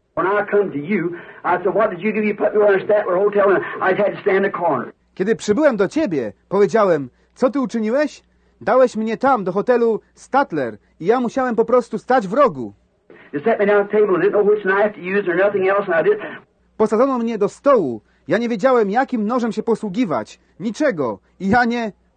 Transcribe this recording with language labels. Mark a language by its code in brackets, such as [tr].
[en] When I come to you, I said, what did you give you put me on a Statler Hotel and I had to stand in the corner. [pl] Kiedy przybyłem do ciebie, powiedziałem, co ty uczyniłeś? Dałeś mnie tam, do hotelu Statler i ja musiałem po prostu stać w rogu. [en] You set me down at the table and didn't know which knife to use or nothing else and I didn't... [pl] Posadzono mnie do stołu. Ja nie wiedziałem, jakim nożem się posługiwać. Niczego. I ja nie...